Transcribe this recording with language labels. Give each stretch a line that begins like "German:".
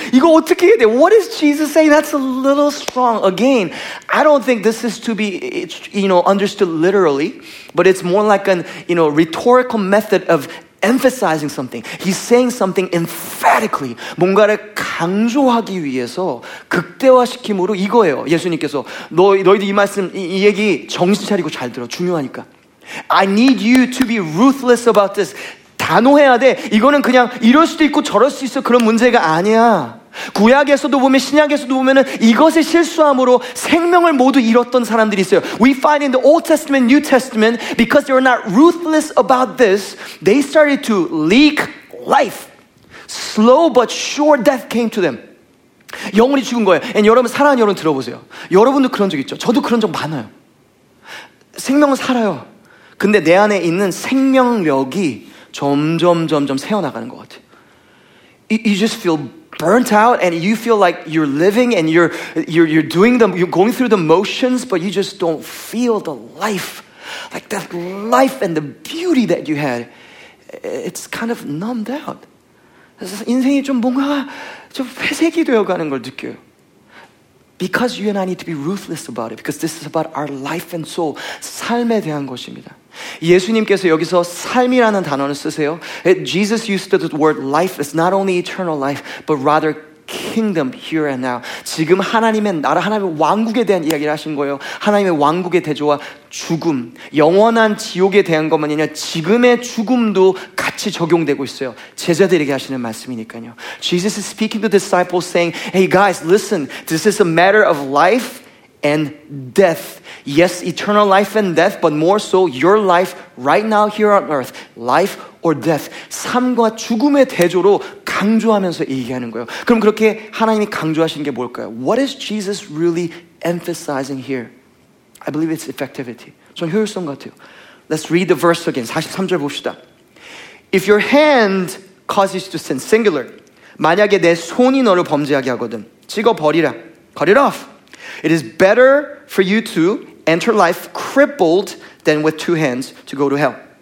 Korean: 이거 어떻게 해야 돼?
English: What is Jesus saying? That's a little strong. Again, I don't think this is to be, you know, understood literally, but it's more like an, you know, rhetorical method of emphasizing something. He's saying something emphatically.
Korean: 뭔가를 강조하기 위해서 극대화시킴으로 이거예요. 예수님께서 너희도 이 말씀 이 얘기 정신 차리고 잘 들어. 중요하니까.
English: I need you to be ruthless about this.
Korean: 단호해야 돼. 이거는 그냥 이럴 수도 있고 저럴 수 있어 그런 문제가 아니야. 구약에서도 보면 신약에서도 보면은 이것의 실수함으로 생명을 모두 잃었던 사람들이 있어요.
English: We find in the Old Testament, New Testament, because they were not ruthless about this, they started to leak life. Slow but sure death came to them.
Korean: 영혼이 죽은 거예요. And 여러분 사랑하는 여러분 들어보세요. 여러분도 그런 적 있죠. 저도 그런 적 많아요. 생명은 살아요. 근데 내 안에 있는 생명력이 점점 새어나가는 것 같아요.
English: You just feel burnt out and you feel like you're living and you're doing the, you're going through the motions, but you just don't feel the life. Like that life and the beauty that you had, it's kind of numbed out.
Korean: 인생이 좀 뭔가 좀 회색이 되어가는 걸 느껴요.
English: Because you and I need to be ruthless about it, because this is about our life and soul,
Korean: 삶에 대한 것입니다. 예수님께서 여기서 삶이라는 단어를 쓰세요.
English: Jesus used the word life. It's not only eternal life, but rather kingdom here and now.
Korean: 지금 하나님의 나라, 하나님의 왕국에 대한 이야기를 하신 거예요. 하나님의 왕국의 대조와 죽음, 영원한 지옥에 대한 것만 아니라 지금의 죽음도 같이 적용되고 있어요. 제자들에게 하시는 말씀이니까요.
English: Jesus is speaking to disciples saying, hey guys, listen, this is a matter of life and death. Yes, eternal life and death, but more so your life right now here on earth. Life or death.
Korean: 삶과 죽음의 대조로 강조하면서 얘기하는 거예요. 그럼 그렇게 하나님이 강조하신 게 뭘까요?
English: What is Jesus really emphasizing here? I believe it's effectivity.
Korean: 전 효율성 같아요.
English: Let's read the verse again.
Korean: 43절 봅시다.
English: If your hand causes to sin, singular.
Korean: 만약에 내 손이 너를 범죄하게 하거든. 찍어버리라.
English: Cut it off. It is better for you to enter life crippled than with two hands to go to hell.